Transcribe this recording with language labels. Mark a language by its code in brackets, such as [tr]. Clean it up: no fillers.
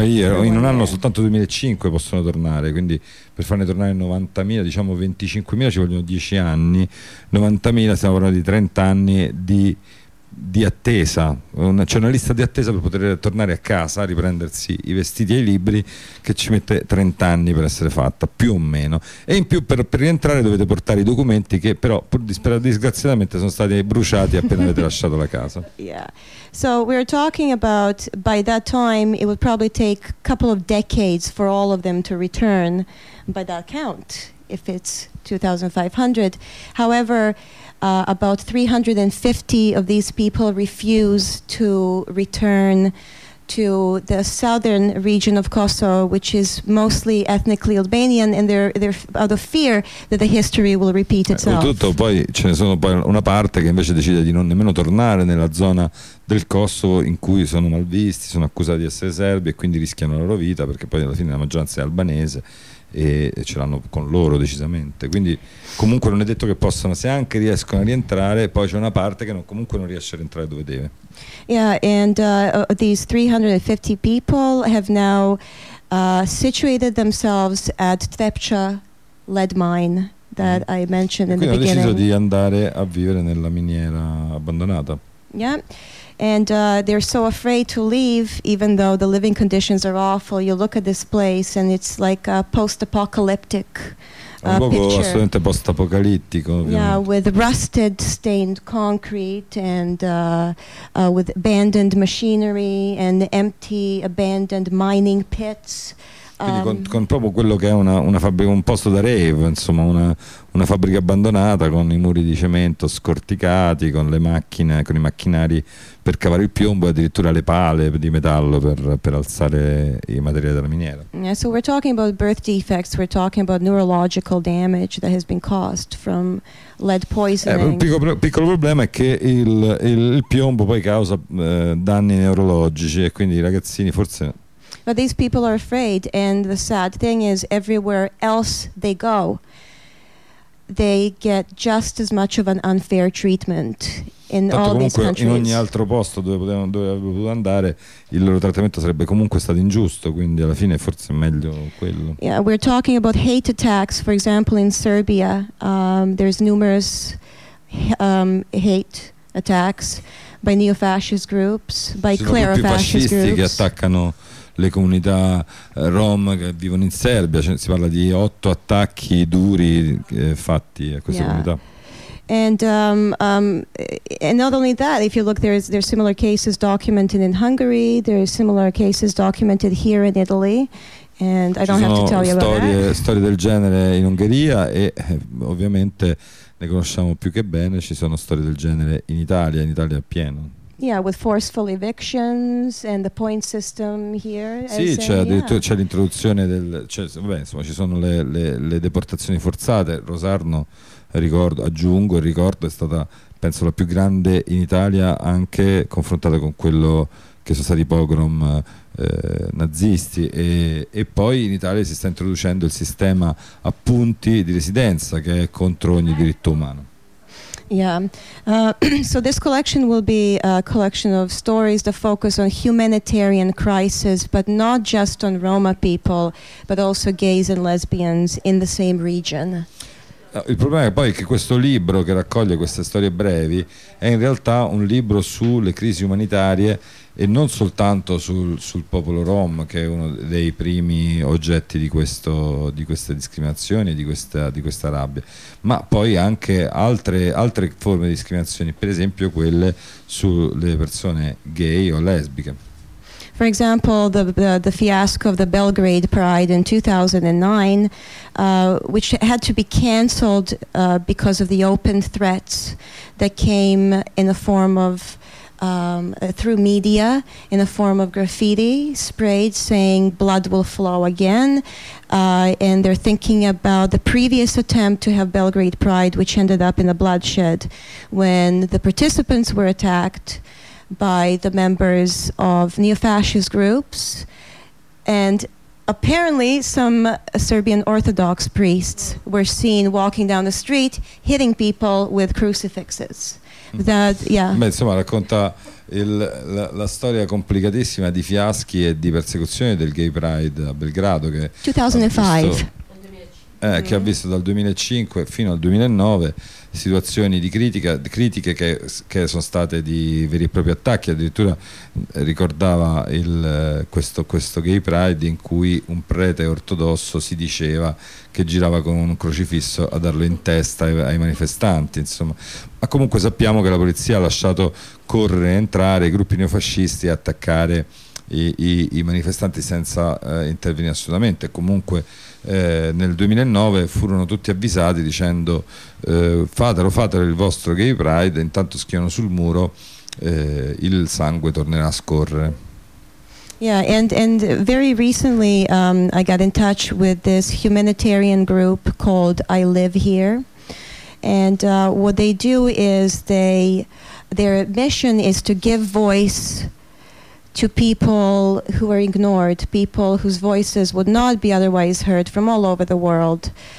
[it] In un anno soltanto 2,500 possono tornare, quindi per farne tornare 90,000, diciamo 25,000 ci vogliono 10 anni, 90,000 stiamo parlando di 30 anni di attesa, c'è una lista di attesa per poter tornare a casa, riprendersi i vestiti e i libri, che ci mette 30 anni per essere fatta, più o meno, e in più per rientrare dovete portare i documenti che però pur disgraziatamente sono stati bruciati appena avete lasciato la casa. [en] Yeah. So we're talking about, by that time it would probably take a couple of decades for all of them to return by that count, if it's 2,500. However, about 350 of these people refuse to return to the southern region of Kosovo, which is mostly ethnically Albanian, and they're out of fear that the history will repeat itself. [it] Oltretutto poi ce ne sono poi una parte che invece decide di non nemmeno tornare nella zona del Kosovo in cui sono malvisti, sono accusati di essere serbi e quindi rischiano la loro vita, perché poi alla fine la maggioranza è albanese e ce l'hanno con loro decisamente, quindi comunque non è detto che possano, se anche riescono a rientrare, poi c'è una parte che comunque non riesce a rientrare dove deve. [en] Yeah, and these 350 people have now situated themselves at Tepcha lead mine that I mentioned in the beginning. [it] Quindi hanno deciso di andare a vivere nella miniera abbandonata. [en] Yeah. And they're so afraid to leave, even though the living conditions are awful. You look at this place and it's like a post-apocalyptic picture. [it] Un luogo assolutamente post-apocalittico, ovviamente. [en] Yeah, with rusted stained concrete and with abandoned machinery and empty abandoned mining pits. [it] Quindi con proprio quello che è una fabbrica, un posto da rave, insomma, una fabbrica abbandonata con i muri di cemento scorticati, con le macchine, con i macchinari per cavare il piombo e addirittura le pale di metallo per alzare i materiali della miniera. [en] Yeah, so we're talking about birth defects, we're talking about neurological damage that has been caused from lead poisoning. [it] Un piccolo problema è che il piombo poi causa danni neurologici, e quindi i ragazzini forse. [en] But these people are afraid, and the sad thing is everywhere else they go, they get just as much of an unfair treatment in [it] Tanto [en] all [it] comunque, [en] these countries. [it] In ogni altro posto dove avrebbero potuto andare, il loro trattamento sarebbe comunque stato ingiusto, quindi alla fine forse è meglio quello. [en] Yeah, we're talking about hate attacks, for example, in Serbia. There's numerous hate attacks by neo-fascist groups, by clero-fascist groups. [it] Fascisti che attaccano le comunità rom che vivono in Serbia. Cioè, si parla di 8 attacchi duri fatti a queste comunità. [en] And and not only that, if you look, there's similar cases documented in Hungary. There are similar cases documented here in Italy. And I don't have to tell you about that. [it] Storie del genere in Ungheria e ovviamente ne conosciamo più che bene. Ci sono storie del genere in Italia pieno. Yeah, with forceful evictions and the point system here. Sì, c'è addirittura c'è l'introduzione del. Cioè, vabbè, insomma, ci sono le deportazioni forzate. Rosarno. Ricordo è stata penso la più grande in Italia anche confrontata con quello che sono stati i pogrom nazisti e poi in Italia si sta introducendo il sistema a punti di residenza che è contro ogni diritto umano. [en] Yeah, so this collection will be a collection of stories that focus on humanitarian crisis, but not just on Roma people, but also gays and lesbians in the same region. [it] Il problema è poi che questo libro che raccoglie queste storie brevi è in realtà un libro sulle crisi umanitarie e non soltanto sul popolo rom che è uno dei primi oggetti di queste discriminazioni e di questa rabbia, ma poi anche altre forme di discriminazioni, per esempio quelle sulle persone gay o lesbiche. [en] For example, the fiasco of the Belgrade Pride in 2009, which had to be cancelled because of the open threats that came in the form of through media, in the form of graffiti sprayed saying blood will flow again, and they're thinking about the previous attempt to have Belgrade Pride, which ended up in a bloodshed when the participants were attacked by the members of neo-fascist groups and apparently some Serbian Orthodox priests were seen walking down the street hitting people with crucifixes. [it] Beh, insomma, racconta la storia complicatissima di fiaschi e di persecuzione del Gay Pride a Belgrado che 2005 che ha visto dal 2005 fino al 2009 situazioni di critiche che sono state di veri e propri attacchi. Addirittura ricordava questo Gay Pride in cui un prete ortodosso si diceva che girava con un crocifisso a darlo in testa ai manifestanti, insomma. Ma comunque sappiamo che la polizia ha lasciato correre e entrare i gruppi neofascisti e attaccare i manifestanti senza intervenire assolutamente. Comunque nel 2009 furono tutti avvisati dicendo fatelo il vostro Gay Pride, intanto schiano sul muro, il sangue tornerà a scorrere. [en] Yeah, and very recently I got in touch with this humanitarian group called I Live Here, and what they do is their mission is to give voice to people who are ignored, people whose voices would not be otherwise heard from all over the world.